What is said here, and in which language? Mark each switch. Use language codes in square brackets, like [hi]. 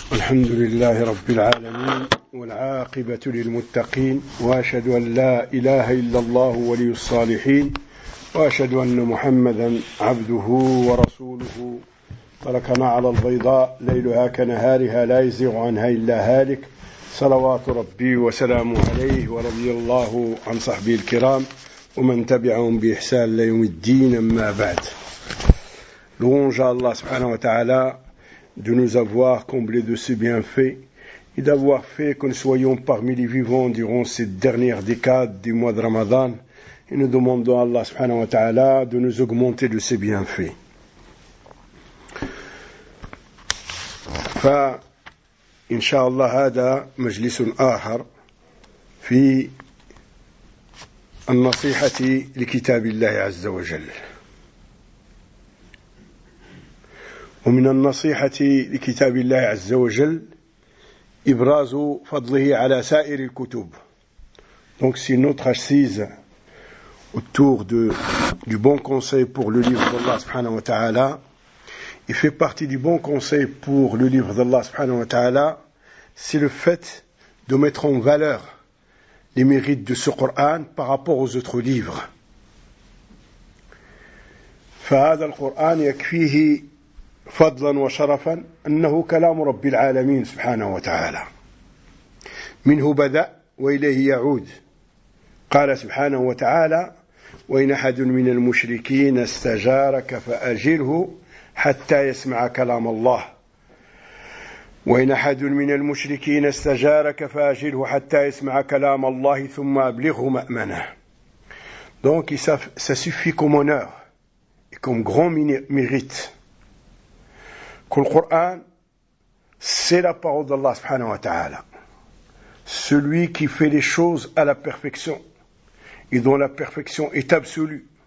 [ar] الحمد لله رب العالمين والعاقبة للمتقين، وأشهد أن لا إله إلا الله ولي الصالحين، وأشهد أن محمدا عبده ورسوله. تركنا على البيضاء ليلها كنهارها لا يزيغ عنها إلا هالك، صلوات ربي وسلامه عليه ورضي الله عن صحبه الكرام ومن تبعهم بإحسان ليوم الدين. أما بعد، لونج الله سبحانه وتعالى [fr] de nous avoir comblés de ses bienfaits et d'avoir fait que nous soyons parmi les vivants durant cette dernière décade du mois de Ramadan. Et nous demandons à Allah subhanahu wa ta'ala de nous augmenter de ses bienfaits. [ar] Incha'Allah, hada majlisun ahar fi an-nasihati li kitabillahi azza wa jal. ومن النصيحة لكتاب الله عز وجل إبراز فضله على سائر الكتب. [fr] Donc c'est notre assise autour du bon conseil pour le livre d'Allah subhanahu wa ta'ala. Il fait partie du bon conseil pour le livre d'Allah subhanahu wa ta'ala, c'est le fait de mettre en valeur les mérites de ce Coran par rapport aux autres livres. [ar] فهذا القرآن يكفيه فضلا وشرفا أنه كلام رب العالمين سبحانه وتعالى، منه بدأ وإليه يعود. قال سبحانه وتعالى: وإن أحد من المشركين استجارك فأجره حتى يسمع كلام الله. وإن أحد من المشركين استجارك فأجره حتى يسمع كلام الله ثم أبلغه مأمنه. [fr] Donc ça suffit comme honneur et comme grand mérite que le Coran, c'est la parole d'Allah subhanahu wa ta'ala. Celui qui fait les choses à la perfection et dont la perfection est absolue.